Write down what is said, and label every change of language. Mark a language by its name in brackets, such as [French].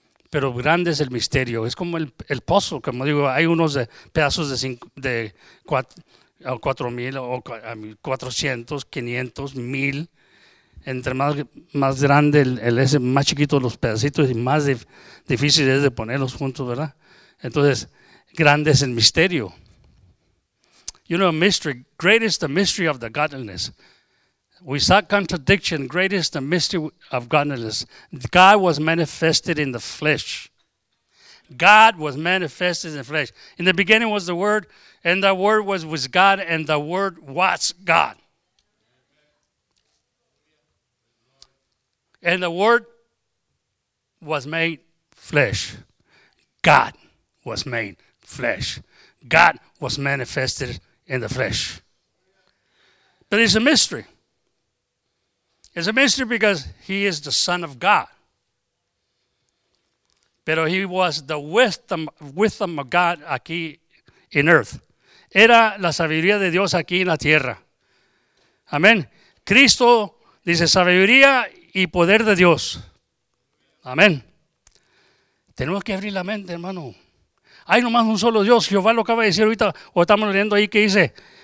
[Spanish] Pero grande es el misterio. Es como el pozo, como digo, hay unos pedazos de 4,000 o 400, 500, 1,000. entre más, más grande el ese, más chiquitos los pedacitos y más difícil es de ponerlos juntos, ¿verdad? Entonces, grande es el misterio. [English] You know, a mystery, great is the mystery of the godliness. We saw contradiction, great is the mystery of godliness. God was manifested in the flesh. God was manifested in the flesh. In the beginning was the Word, and the Word was with God, and the Word was God. And the Word was made flesh. God was made flesh. God was manifested in the flesh. But it's a mystery. It's a mystery because He is the Son of God. [Spanish] Pero [English] He was the wisdom of God [Spanish] aquí [English] in earth. [Spanish] Era la sabiduría de Dios aquí en la tierra. Amén. Cristo dice sabiduría y poder de Dios. Amén. Tenemos que abrir la mente, hermano. Hay nomás un solo Dios. Jehová lo acaba de decir ahorita. O estamos leyendo ahí que dice.